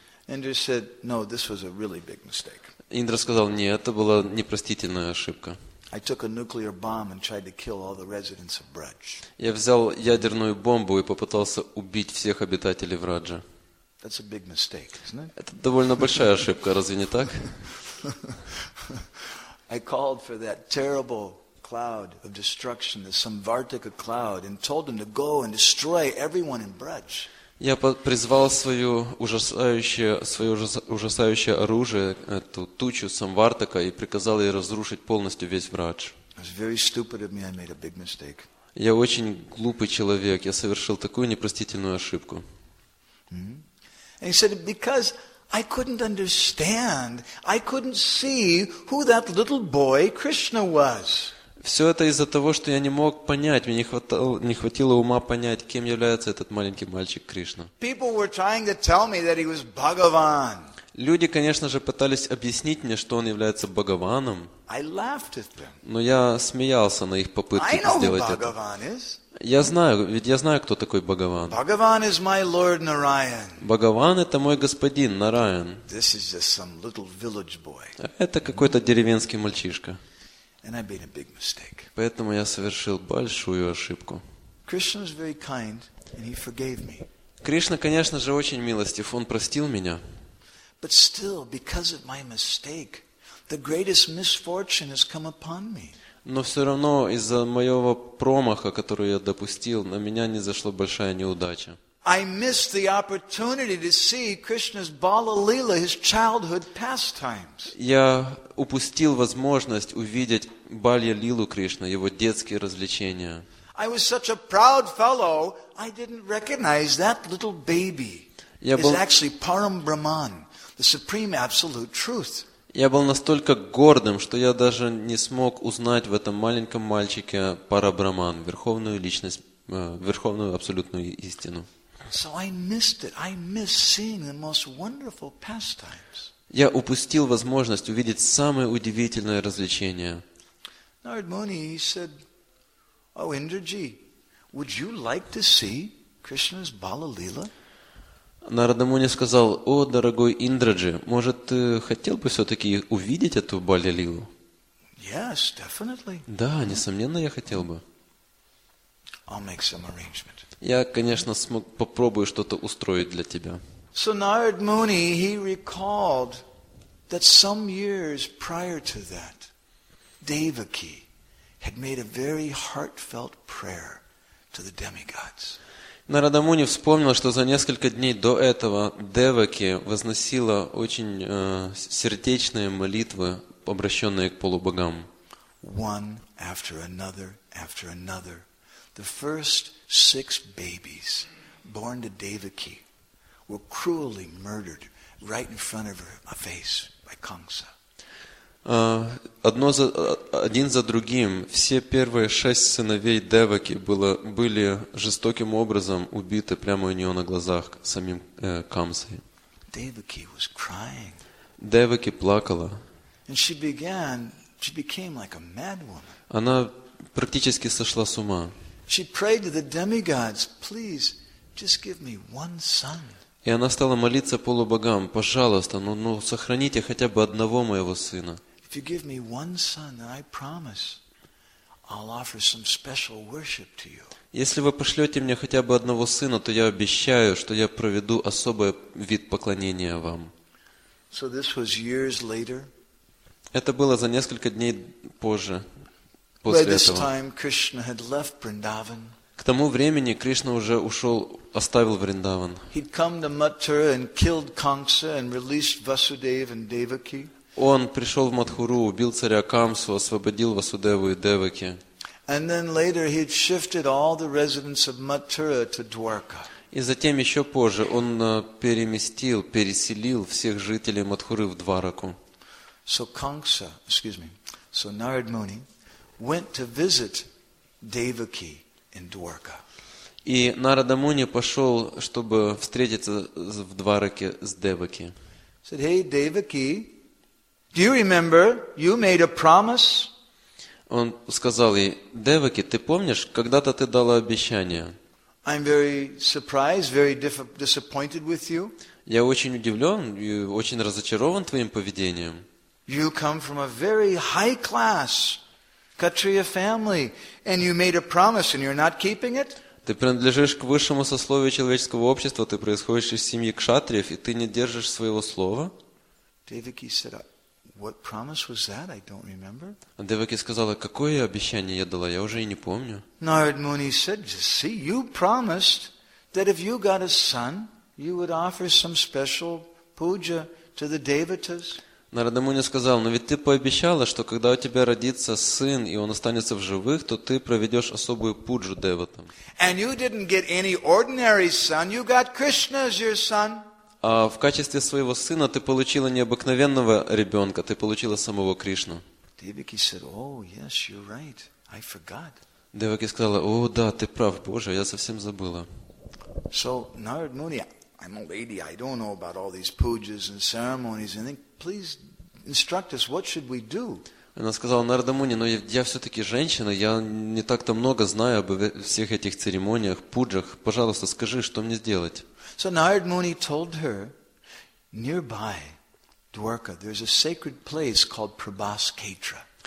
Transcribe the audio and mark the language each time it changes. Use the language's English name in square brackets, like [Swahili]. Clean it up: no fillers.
[Russian] Индра сказал: "Нет, это была непростительная ошибка." Я взял ядерную бомбу и попытался убить всех обитателей Враджа. Это довольно большая ошибка, разве не так? [English] I called for that terrible cloud of destruction, the Samvartika cloud, and told them to go and destroy everyone in Braj. [Russian] Я призвал свое ужасающее оружие, эту тучу Самвартика, и приказал ей разрушить полностью весь Врадж. [English] It was very stupid of me. I made a big mistake. [Russian] Я очень глупый человек. Я совершил такую непростительную ошибку. [English] And he said, because I couldn't understand. I couldn't see who that little boy Krishna was. [Russian] Все это из-за того, что я не мог понять. Мне не хватило ума понять, кем является этот маленький мальчик Кришна. [English] People were trying to tell me that he was Bhagavan. [Russian] Люди, конечно же, пытались объяснить мне, что он является Бхагаваном. [English] I laughed at them. [Russian] Но я смеялся на их попытки сделать это. [English] I know who Bhagavan is. [Russian] Я знаю, кто такой Бхагаван. [English] Bhagavan is my Lord Narayan. [Russian] Бхагаван – это мой господин, Нараян. [English] This is just some little village boy. [Russian] Это какой-то деревенский мальчишка. [English] And I made a big mistake. [Russian] Поэтому я совершил большую ошибку. [English] Krishna is very kind, and he forgave me. [Russian] Кришна, конечно же, очень милостив, он простил меня. [English] But still, because of my mistake, the greatest misfortune has come upon me. [Russian] Но все равно из-за моего промаха, который я допустил, на меня низошла большая неудача. [English] I missed the opportunity to see Krishna's Balalila, his childhood pastimes. [Russian] Я упустил возможность увидеть Балья-лилу Кришны, его детские развлечения. [English] I was such a proud fellow, I didn't recognize that little baby is actually Param Brahman, the supreme absolute truth. [Russian] Я был настолько гордым, что я даже не смог узнать в этом маленьком мальчике Парабрахман, верховную личность, верховную абсолютную истину. [English] So I missed it. I missed seeing the most wonderful pastimes. [Russian] Я упустил возможность увидеть самое удивительное развлечение. [English] Narad Muni said, "О, Индраджи, would you like to see Krishna's Balalila?" [Russian] Нарада Муни сказал: "О, дорогой Индраджи, может, ты хотел бы все-таки увидеть эту Балалилу?" [English] Yes, definitely. [Russian] Да, несомненно, я хотел бы. [English] I'll make some arrangement. [Russian] Я, конечно, попробую что-то устроить для тебя. [English] So Narad Muni, he recalled that some years prior to that, Devaki had made a very heartfelt prayer to the demigods. [Russian] Нарада Муни вспомнил, что за несколько дней до этого Деваки возносила очень сердечные молитвы, обращенные к полубогам. [English] One after another, after another. The first six babies born to Devaki were cruelly murdered right in front of her face by Kamsa. [Russian] Один за другим все первые шесть сыновей Деваки были жестоким образом убиты прямо у нее на глазах самим Камсой. [English] Devaki was crying. [Russian] Деваки плакала. [English] And she became like a mad woman. [Russian] Она практически сошла с ума. [English] She prayed to the demigods, please, just give me one son. [Russian] И она стала молиться полубогам: пожалуйста, ну сохраните хотя бы одного моего сына. [English] If you give me one son, then I promise I'll offer some special worship to you. [Russian] Если вы пошлете мне хотя бы одного сына, то я обещаю, что я проведу особый вид поклонения вам. [English] So this was years later. [Russian] Это было за несколько дней позже. [English] By this time, Krishna had left Vrindavan. [Russian] К тому времени Кришна уже ушел, оставил Вриндаван. [English] He'd come to Mathura and killed Kamsa and released Vasudeva and Devaki. [Russian] Он пришел в Матхуру, убил царя Камсу, освободил Васудеву и Деваки. [English] And then later he'd shifted all the residents of Mathura to Dwarka. [Russian] И затем еще позже он переселил всех жителей Матхуры в Двараку. [English] So Narad Muni went to visit Devaki in Dwarka. [Russian] И Нарада Муни пошел, чтобы встретиться в Двараке с Деваки. [English] Said, "Hey, Devaki, do you remember you made a promise?" [Russian] Он сказал ей: "Деваки, ты помнишь, когда-то ты дала обещание?" [English] I'm very surprised, very disappointed with you. [Russian] Я очень удивлен и очень разочарован твоим поведением. [English] You come from a very high class Kshatriya family, and you made a promise, and you're not keeping it. [Russian] Ты принадлежишь к высшему сословию человеческого общества, ты происходишь из семьи кшатриев, и ты не держишь своего слова. [English] Devaki said, "What promise was that? I don't remember." [Russian] Деваки сказала: "Какое обещание я дала? Я уже и не помню." [English] Narad Muni said, "See, you promised that if you got a son, you would offer some special puja to the devatas." [Russian] Нарада Муни сказал: "Но ведь ты пообещала, что когда у тебя родится сын, и он останется в живых, то ты проведешь особую пуджу деватам." [English] And you didn't get any ordinary son. You got Krishna as your son. [Russian] А в качестве своего сына ты получила необыкновенного ребенка, ты получила самого Кришну. [English] Devaki said, "Oh, yes, you're right. I forgot." [Russian] Деваки сказала: "О, да, ты прав, Боже, я совсем забыла." [English] So, Narad Muni, I'm a lady, I don't know about all these pujas and ceremonies, and then please instruct us, what should we do? [Russian] Она сказала: "Нарада Муни, но я все-таки женщина, я не так-то много знаю об всех этих церемониях, пуджах. Пожалуйста, скажи, что мне сделать?" [English] So Narad Muni told her, "Nearby Dwarka, there's a sacred place called Prabhasketra."